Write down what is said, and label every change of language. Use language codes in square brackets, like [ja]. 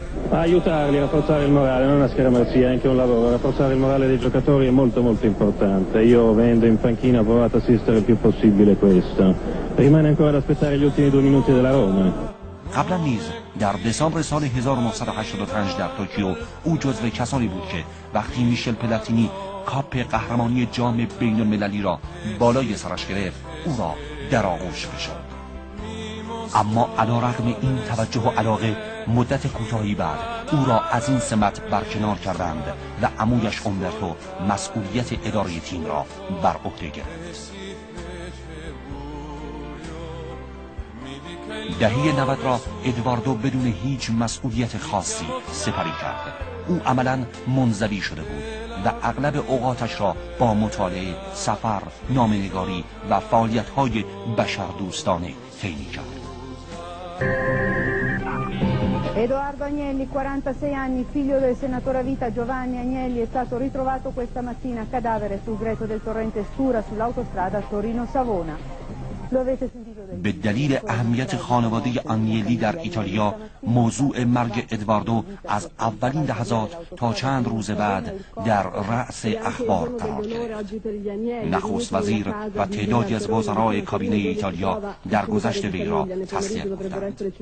[it] Aiuta a rafforzare il morale, non è una scaramanzia, è anche un lavoro. Rafforzare il morale dei giocatori è molto molto importante. Io venendo in panchina ho provato ad assistere il più possibile questo. Rimane ancora ad aspettare gli ultimi due minuti della Roma. [fa] قبلا نیز در دسامبر سال 1985 در توکیو او جزو کسانی بود که وقتی میشل پلاتینی کاپ قهرمانی جام بین المللی را بالای سرش گرفت او را در آغوش کشید. اما علی‌رغم این توجه و علاقه مدت کوتاهی بعد او را از این سمت برکنار کردند و عمویش اومبرتو مسئولیت اداره تیم را بر عهده گرفت. دهه 90 را ادواردو بدون هیچ مسئولیت خاصی سپری کرد. او عملا منزوی شده بود و اغلب اوقاتش را با مطالعه، سفر، نامه‌نگاری و فعالیت‌های بشر دوستانه تلف کرد. [it] Edoardo Agnelli, 46 anni, figlio del senatore a vita Giovanni Agnelli, è stato ritrovato questa mattina cadavere sul greto del torrente Stura sull'autostrada Torino-Savona. Lo avete sentito del... [fa] به دلیل اهمیت خانواده آنیلی در ایتالیا، موضوع مرگ ادواردو از اولین لحظات تا چند روز بعد در رأس اخبار قرار گرفت. نخست وزیر و تعدادی از وزرای کابینه ایتالیا در گذشت وی را تسلیت گفتند.